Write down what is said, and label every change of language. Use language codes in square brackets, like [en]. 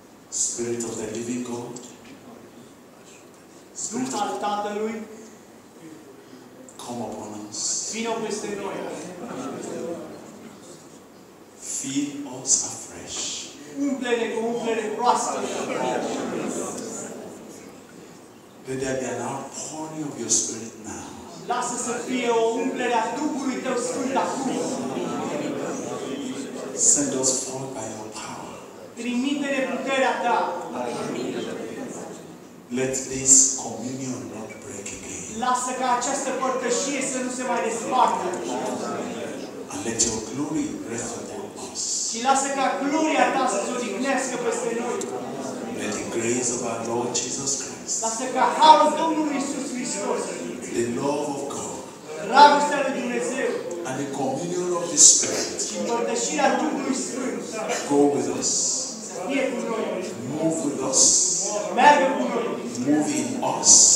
[en] Spirit of the living God. [ro] Spirit al Tatălui. [en] Come upon us. [ro] Vino peste noi. [en] Fill us afresh. [ro] Umple-ne cu umplere proaspătă. [en] Let there be an outpouring of your spirit now. [ro] Lasă să fie o umplere a Duhului tău sfânt acum. [en] Send us forth by your power. [ro] Trimite-ne puterea ta. [en] Let this communion not break again. [ro] Lasă ca această părtășie să nu se mai despartă. [en] And let your glory rest upon us. [ro] Și lasă ca gloria ta să se odihnească peste noi. [en] Let the grace of our Lord Jesus Christ. [ro] Lasă ca harul Domnului Iisus Hristos. [en] The love of God. [ro] Dragostea lui Dumnezeu. [en] And the communion of the Spirit. [ro] Și împărtășirea Duhului Sfânt. [en] Go with us. [ro] Să fie cu noi. [en] Move with us. [ro] Meargă cu noi. [en] Move in us.